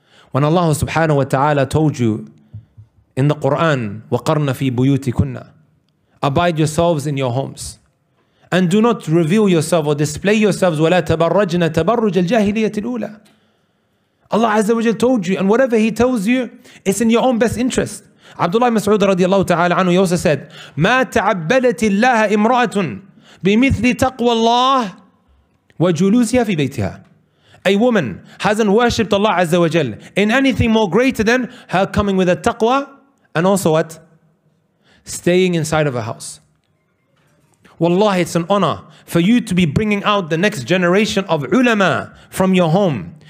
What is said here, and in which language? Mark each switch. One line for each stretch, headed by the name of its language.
English: When Allah subhanahu wa ta'ala told you in the Quran, وَقَرْنَ فِي بُيُوتِكُنَّ, abide yourselves in your homes and do not reveal yourself or display yourselves, وَلَا تَبَرَّجْنَ تَبَرُّجَ الْجَاهِلِيَةِ الْأُولَى. Allah Azza wa Jal told you, and whatever He tells you, it's in your own best interest.
Arabic: Abdullah Mas'ud radiallahu ta'ala anhu, he also said, ما تعبدت الله امرأة بمثل تقوى الله وجلوسها في بيتها.
English: A woman hasn't worshipped Allah Azza wa Jal in anything more greater than her coming with a taqwa and also what? Staying inside of her house. Wallahi, it's an honor for you to be bringing out the next generation of ulama from your home.